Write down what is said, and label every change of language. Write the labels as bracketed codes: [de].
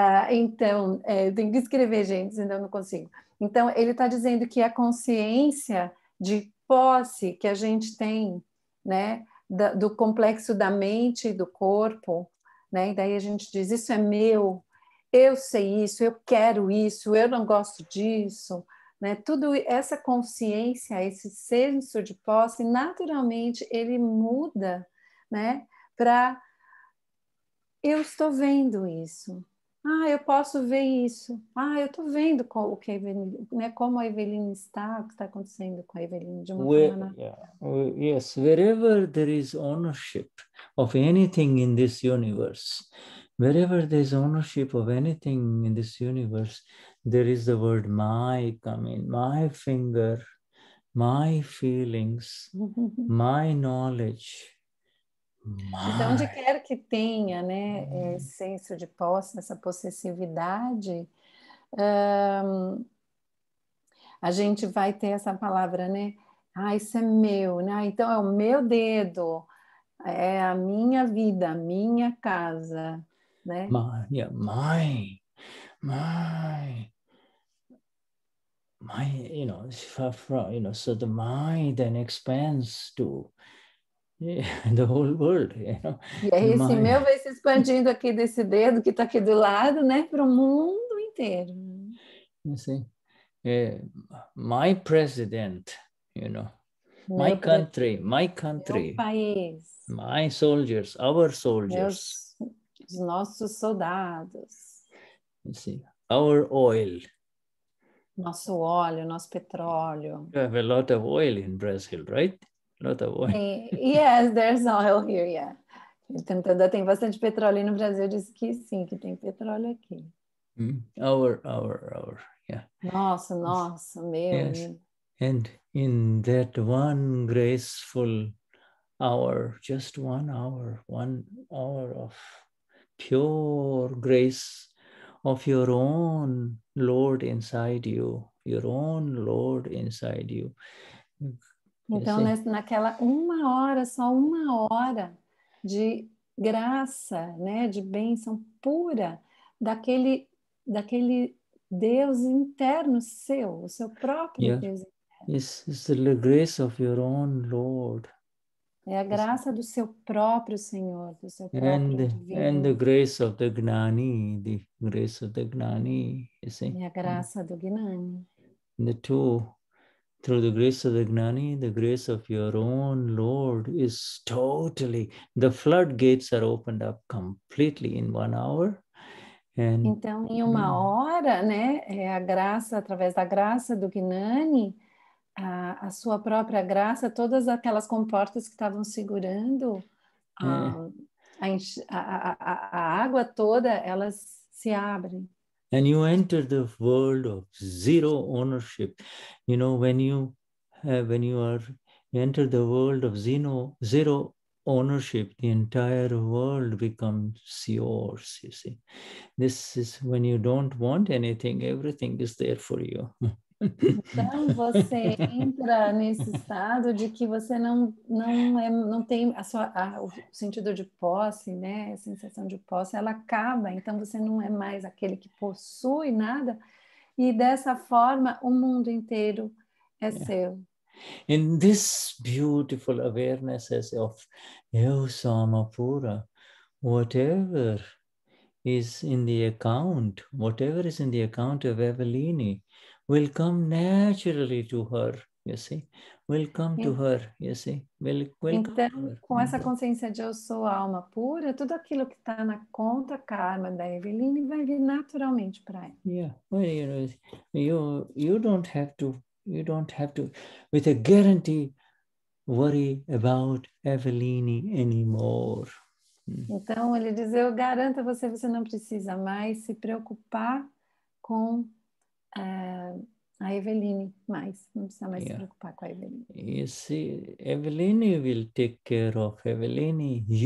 [pt] então, tem que escrever, gente, senão eu não consigo. Então, ele está dizendo que a consciência de posse que a gente tem, né, do complexo da mente e do corpo, né, e daí a gente diz, isso é meu, eu sei isso, eu quero isso, eu não gosto disso, né, tudo essa consciência, esse senso de posse, naturalmente ele muda, né, para eu estou vendo isso. Ah, eu posso ver isso. Ah, eu estou vendo o que a Eveline, né, como a Eveline está, o que está acontecendo com a Eveline de uma forma. [en] Yes, wherever there is ownership of anything in this universe, wherever there is ownership of anything in this universe, there is the word my coming, my finger, my feelings, my knowledge. [pt] Então, onde quer que tenha, né, senso de posse, essa possessividade, a gente vai ter essa palavra, né? Ah, isso é meu, né? Então é o meu dedo, é a minha vida, a minha casa, né? [en] My, yeah, my, you know, from, you know, so the my then expands to. Yeah, the whole world, you know. [pt] E aí esse meu vai se expandindo aqui desse dedo que está aqui do lado, né, para o mundo inteiro. [en] You see, my president, you know, my country, my country. [pt] Meu país. [en] My soldiers, our soldiers. [pt] Os nossos soldados. [en] You see, our oil. [pt] Nosso óleo, nosso petróleo. [en] You have a lot of oil in Brazil, right? Not a boy. Yes, there's oil here, yeah. [pt] Tem bastante petróleo no Brasil, disse que sim, que tem petróleo aqui. [en] Our, yeah. [pt] Nosso, meu. [en] Yes. And in that one graceful hour, just one hour of pure grace of your own Lord inside you, your own Lord inside you. [pt] Então, naquela uma hora de graça, né, de bênção pura daquele Deus interno seu, o seu próprio Deus interno. [en] It's the grace of your own Lord. [pt] É a graça do seu próprio Senhor, do seu próprio divino. [en] And the grace of the Gnani, the grace of the Gnani, you see? [pt] E a graça do Gnani. [en] The two. Through the grace of the Gnani, the grace of your own Lord is totally, the floodgates are opened up completely in 1 hour. And, [pt] então, em uma hora, né, é a graça, através da graça do Gnani, a sua própria graça, todas aquelas comportas que estavam segurando a água toda, elas se abrem. [en] And you enter the world of zero ownership. You know, when you enter the world of zero ownership, the entire world becomes yours, you see. This is when you don't want anything, everything is there for you. [pt] Então você entra nesse estado de que você não tem o sentido de posse, né? A sensação de posse, ela acaba, então você não é mais aquele que possui nada, e dessa forma o mundo inteiro é seu. [en] In this beautiful awareness of [pt] eu sou uma pura, [en] whatever is in the account, whatever is in the account of Eveline will come naturally to her, you see. Will come to her, you see. [pt] Com essa consciência de eu sou a alma pura, tudo aquilo que está na conta karma da Eveline vai vir naturalmente para ela. [en] Yeah, well, you know, you don't have to, with a guarantee, worry about Eveline anymore. [pt] Então, ele diz, eu garanto a você, você não precisa mais se preocupar com a Eveline mais. Não precisa mais se preocupar com a Eveline. [en] You see, Eveline will take care of Eveline.